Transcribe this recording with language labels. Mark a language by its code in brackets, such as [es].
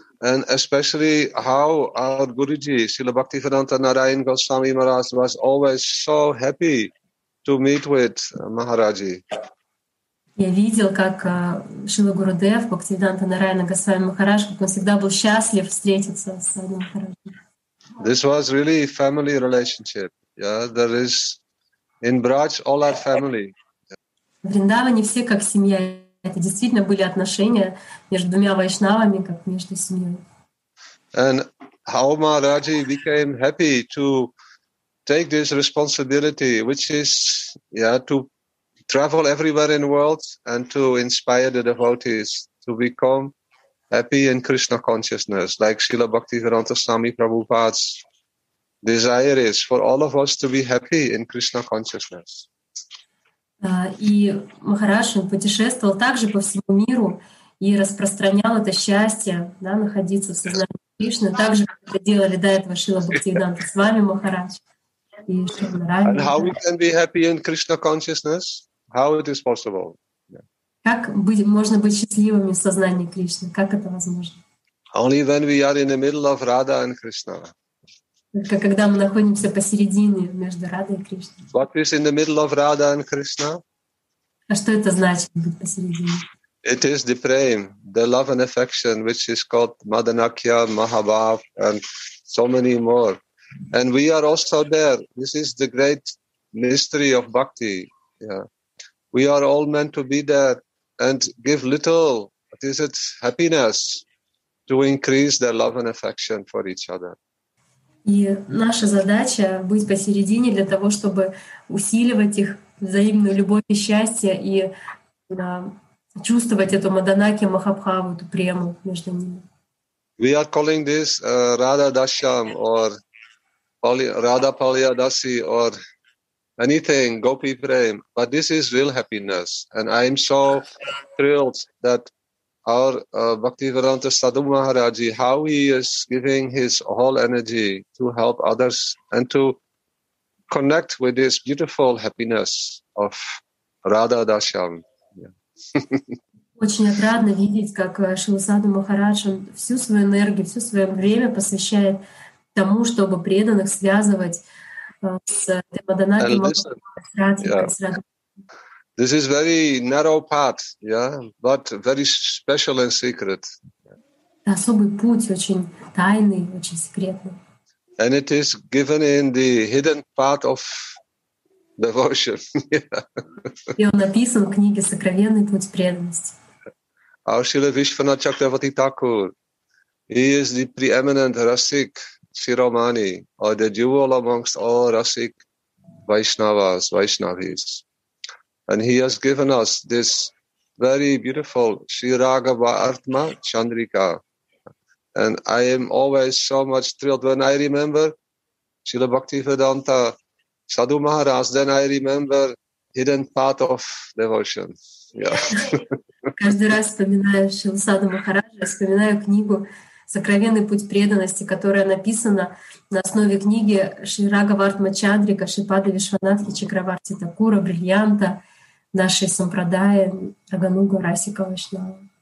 [en] And especially how our Guruji, Srila Bhaktivedanta Narayan Goswami Maharaj, was always so happy to meet with Maharaji. [ru] Я видел, как Шрила Гурудев, Бхактивиданта Нараяна Госвами Махарадж, как он всегда был счастлив встретиться с Садху Махараджем. [en] This was really a family relationship. Yeah, there is in Braj all our family. [ru] В Вриндаване все как семья. Это действительно были отношения между двумя вайшнавами, как между семьей. [en] And how Maharaji became happy to take this responsibility, which is, yeah, to travel everywhere in the world and to inspire the devotees to become happy in Krishna consciousness, like Srila Bhaktivedanta Swami Prabhupada's desire is for all of us to be happy in Krishna consciousness. [ru] И Махараджа путешествовал также по всему миру и распространял это счастье, да, находиться в сознании Кришны, так же, как это делали до этого Шрила Бхактивиданта с вами, Махарадж. [en] And how we can be happy in Krishna consciousness? How it is possible? [ru] Как быть, можно быть счастливыми в сознании Кришны? Как это возможно? [en] Only when we are in the middle of Radha and Krishna. [ru] Только когда мы находимся посередине между Радой и Кришной. [en] What is in the middle of Radha and Krishna? [ru] А что это значит быть посередине? [en] It is the prem, the love and affection, which is called Madanakya, Mahabhav, and so many more. And we are also there. This is the great mystery of bhakti. Yeah. We are all meant to be there and give little, what is it, happiness to increase their love and affection for each other. [ru] И наша задача — быть посередине для того, чтобы усиливать их взаимную любовь и счастье и чувствовать эту маданаки, махабхаву, эту прему между ними. [en] We are calling this Radha Dasham or Radha Palya Dasi or anything, Gopi Prem. But this is real happiness. And I am so thrilled that our Bhaktivedanta Sadhu Maharaji, how he is giving his whole energy to help others and to connect with this beautiful happiness of Radha Dasham. [ru] Очень отрадно видеть, как Шрила Садху Махарадж всю свою энергию, все свое время посвящает тому, чтобы преданных связывать с Темаданаги Махарадж. [en] This is very narrow path, yeah, but very special and secret. [ru] Особый путь, очень тайный, очень секретный. [en] And it is given in the hidden path of devotion. [ru] И он написан в книге «Сокровенный путь преданности». [en] Our Srila Vishvanatha Chakravarti Thakur, he is the preeminent Rasik Shiromani, or the jewel amongst all Rasik Vaishnavas, Vaishnavis. And he has given us this very beautiful Sri Raghava Artma Chandrika. And I am always so much thrilled when I remember Srila Bhaktivedanta Sadhu Maharaj, then I remember hidden path of devotion. [ru] Каждый раз вспоминаю Шрилу Садху Махараджа, вспоминаю книгу «Сокровенный путь преданности», которая написана на основе книги Шри Рагаварта Чандрика, Шипада Вишванатхи Чакраварти Такура, Бриллианта, нашей Сампрадаи, Агануга, Расика Вайшнава.